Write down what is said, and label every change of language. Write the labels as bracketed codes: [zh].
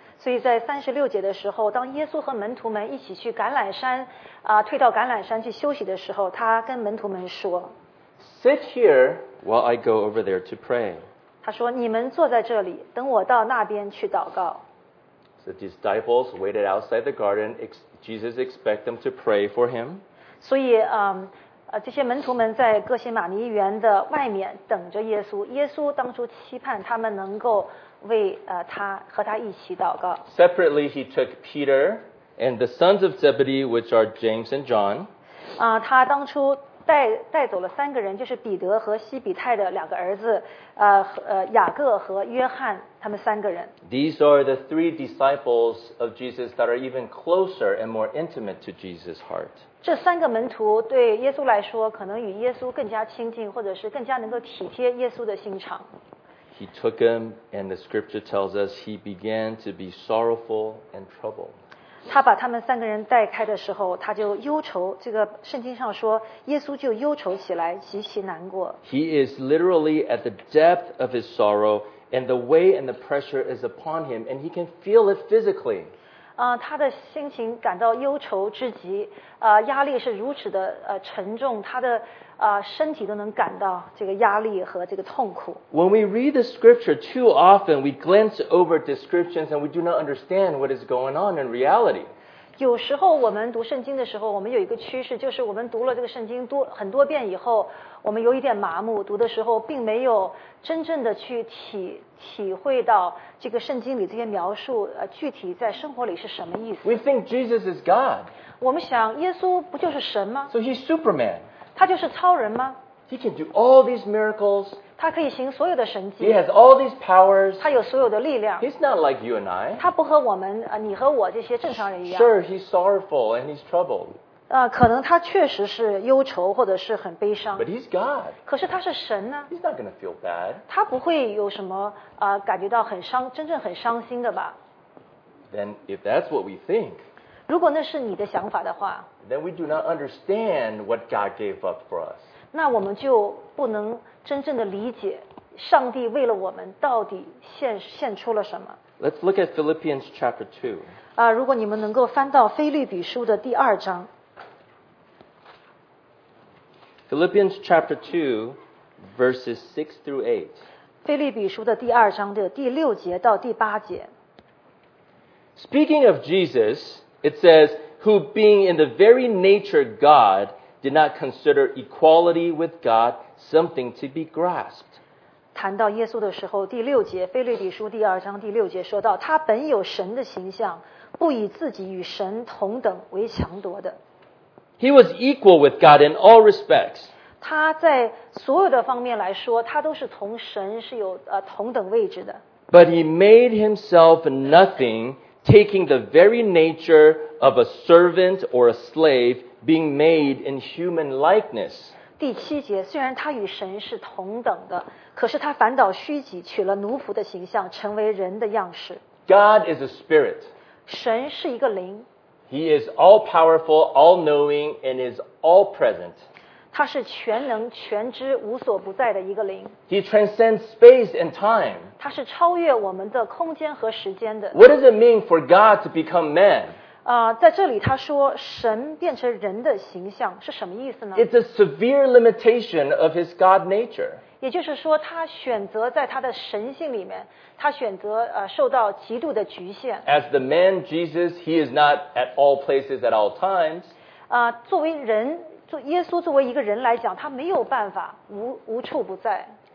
[zh] 所以在36节的时候，当耶稣和门徒们一起去橄榄山，退到橄榄山去休息的时候，他跟门徒们说， [en] Sit here,while I go over there to pray. [zh] 他说你们坐在这里，等我到那边去祷告。 [en] The disciples waited outside the garden. Jesus expected them to pray for him. [zh] 所以这些门徒们在哥西马尼园的外面等着耶稣。耶稣当初期盼他们能够为他和他一起祷告。 [en] Separately, he took Peter and the sons of Zebedee, which are James and John. [zh] 他当初带走了三个人，就是彼得和西比泰的两个儿子，雅各和约翰，他们三个人。 [en] These are the three disciples of Jesus that are even closer and more intimate to Jesus' heart. [zh] 这三个门徒对耶稣来说，可能与耶稣更加亲近，或者是更加能够体贴耶稣的心肠。 [en] He took him, and the scripture tells us he began to be sorrowful and troubled. [zh] 他把他们三个人带开的时候，他就忧愁。这个圣经上说，耶稣就忧愁起来，极其难过。 [en] He is literally at the depth of his sorrow, and the weight and the pressure is upon him, and he can feel it physically. [zh] 他的心情感到忧愁之极，压力是如此的沉重，他的身体都能感到这个压力和这个痛苦。 [en] When we read the scripture, too often we glance over descriptions and we do not understand what is going on in reality. [zh] 有时候我们读圣经的时候，我们有一个趋势，就是我们读了这个圣经很多遍以后，我们有一点麻木，读的时候并没有真正的去体会到这个圣经里这些描述具体在生活里是什么意思。 [en] We think Jesus is God. [zh] 我们想耶稣不就是神吗？ [en] So he's Superman. [zh] 他就是超人吗？ [en] He can do all these miracles. [zh] 他可以行所有的神迹。 [en] He has all these powers. [zh] 他有所有的力量。 [en] He's not like you and I. [zh] 他不和我们，你和我这些正常人一样。 [en] Sure, he's sorrowful and he's troubled. [zh] 可能他确实是忧愁或者是很悲伤。 [en] But he's God. [zh] 可是他是神呢。 [en] He's not going to feel bad. [zh] 他不会有什么感觉到真正很伤心的吧。 [en] Then if that's what we think, [zh] 如果那是你的想法的话， [en] then we do not understand what God gave up for us. [zh] 那我们就不能真正的理解上帝为了我们到底献出了什么。 [en] Let's look at Philippians chapter 2. [zh] 如果你们能够翻到腓立比书的第二章。 [en] Philippians chapter 2, verses 6 through 8. [zh] 腓立比书的第二章的第六节到第八节。 [en] Speaking of Jesus,It says, who being in the very nature God, did not consider equality with God something to be grasped. [zh] 谈到耶稣的时候，第六节，腓立比书第二章第六节说到，他本有神的形象，不以自己与神同等为强夺的。 [en] He was equal with God in all respects. [zh] 他在所有的方面来说，他都是从神是有同等位置的。 [en] But he made himself nothing, taking the very nature of a servant or a slave, being made in human likeness. [zh] 第七节，虽然他与神是同等的，可是他反倒虚己，取了奴仆的形象，成为人的样式。 [en] God is a spirit. [zh] 神是一个灵。 [en] He is all powerful, all knowing, and is all present. [zh] 他是全能、全知、无所不在的一个灵。 [en] He transcends space and time. [zh] 他是超越我们的空间和时间的。 [en] What does it mean for God to become man? [zh] 在这里他说神变成人的形象是什么意思呢？ [en] It's a severe limitation of his God nature. [zh] 也就是说他选择在他的神性里面，他选择受到极度的局限。 [en] As the man Jesus, he is not at all places at all times. [zh] 作为人，耶稣作为一个人来讲，他没有办法 无处不在。